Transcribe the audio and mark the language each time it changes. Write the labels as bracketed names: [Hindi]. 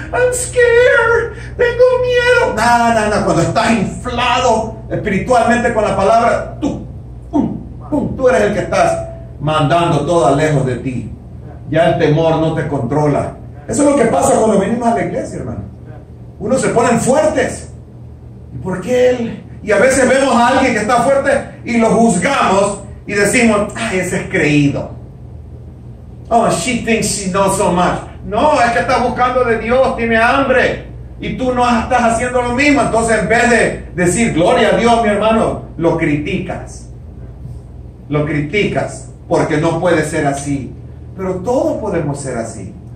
[English] I'm scared, [Spanish] tengo miedo. No, cuando estás inflado espiritualmente con la palabra, tú eres el que estás mandando todo a lejos de ti. Ya el temor no te controla. Eso es lo que pasa cuando venimos a la iglesia, hermano. Uno se ponen fuertes. ¿Y por qué él? Y a veces vemos a alguien que está fuerte y lo juzgamos y decimos, ay, ese es creído. [English] Oh, she thinks she knows so much. [Spanish] No, es que está buscando de Dios, tiene hambre. Y tú no estás haciendo lo mismo. Entonces, en vez de decir gloria a Dios, mi hermano, lo criticas. Lo criticas porque no puede ser así. Pero todos podemos ser así.